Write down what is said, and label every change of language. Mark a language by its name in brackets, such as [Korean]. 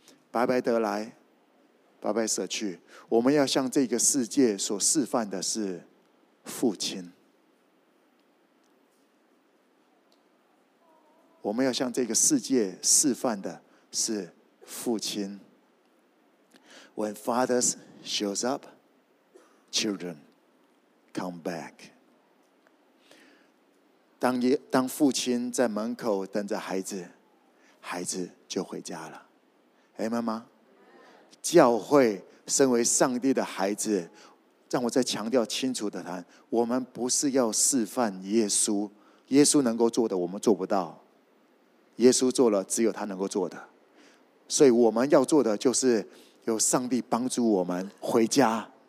[Chinese] 白白得来，白白舍去。我们要向这个世界所示范的是父亲，我们要向这个世界示范的是父亲。 [English] When fathers shows up, children come back. [Chinese] 当父亲在门口等着孩子，孩子就回家了。 Amen 吗？教会身为上帝的孩子，让我再强调清楚的谈，我们不是要示范耶稣，耶稣能够做的我们做不到，耶稣做了只有他能够做的，所以我们要做的就是有上帝帮助我们回家。